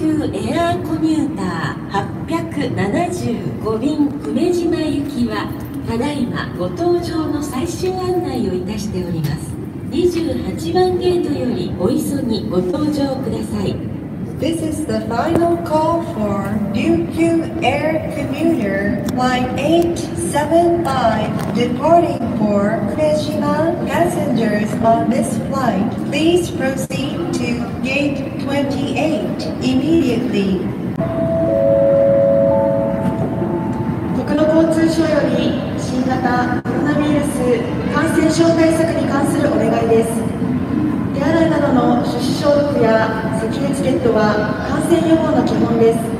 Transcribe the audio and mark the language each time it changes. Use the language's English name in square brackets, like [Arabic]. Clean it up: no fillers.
[Japanese] エアーコミューター875便久米島行きはただいまご搭乗の最終案内をいたしております。 28番ゲートよりお急ぎご搭乗ください。 [English] This is the final call for 琉球 Air Commuter Flight 875 Departing for 久米島 Passengers on this flight Please proceed to gate 28 immediately. [Japanese] 国土交通省より新型コロナウイルス感染症対策に関するお願いです。手洗いなどの手指消毒やセキュリティゲットは感染予防の基本です。